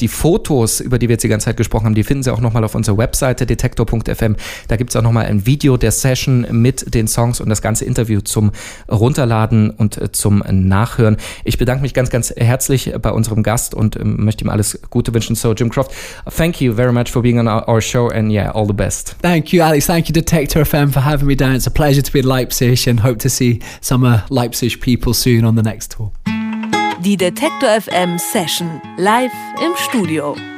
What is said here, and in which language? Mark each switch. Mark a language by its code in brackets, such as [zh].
[de] Die Fotos, über die wir jetzt die ganze Zeit gesprochen haben, die finden Sie auch nochmal auf unserer Webseite detektor.fm. Da gibt es auch nochmal ein Video der Session mit den Songs und das ganze Interview zum Runterladen und zum Nachhören. Ich bedanke mich ganz, ganz herzlich bei unserem Gast und möchte ihm alles Gute wünschen. [en] So, Jim Croft, thank you very much for being on our show and yeah, all the best. Thank you, Alex. Thank you, Detektor FM, for having me down. It's a pleasure to be in Leipzig and hope to see some Leipzig people soon on the next tour. [de] Die Detektor FM Session live im Studio.